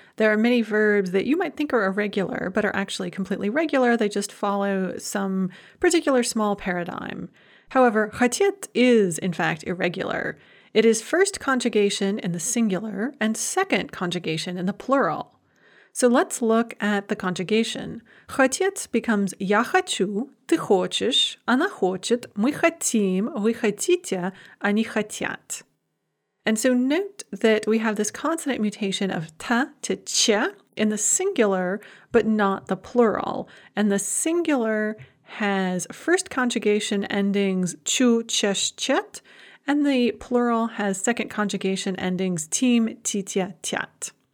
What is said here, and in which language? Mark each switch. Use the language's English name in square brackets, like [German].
[English] There are many verbs that you might think are irregular, but are actually completely regular. They just follow some particular small paradigm. However, хотеть is, in fact, irregular. It is first conjugation in the singular and second conjugation in the plural. So let's look at the conjugation. [Russian] Хотеть [English] becomes [Russian] я хочу, ты хочешь, она хочет, мы хотим, вы хотите, они хотят. [English] And so note that we have this consonant mutation of t to ch in the singular, but not the plural. And the singular has first conjugation endings chu, chesh, chet, and the plural has second conjugation endings tim, titia, tiat.